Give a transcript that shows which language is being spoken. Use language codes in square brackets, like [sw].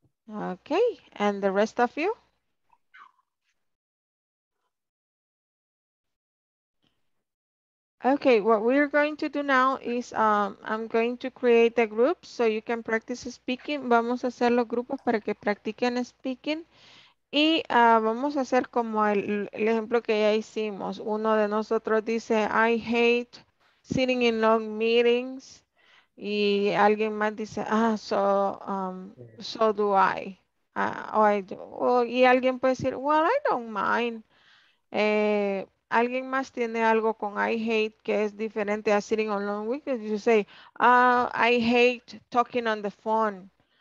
[en] Okay, and the rest of you? Okay, what we're going to do now is I'm going to create a group so you can practice speaking. [es] Vamos a hacer los grupos para que practiquen speaking. Y vamos a hacer como el ejemplo que ya hicimos. Uno de nosotros dice, [en] I hate sitting in long meetings. [es] Y alguien más dice, ah, [en] so do I. [es] Y alguien puede decir, [en] well, I don't mind. [es] ¿Alguien más tiene algo con [en] I hate [es] que es diferente a [en] sitting on long weekends? You say, I hate talking on the phone.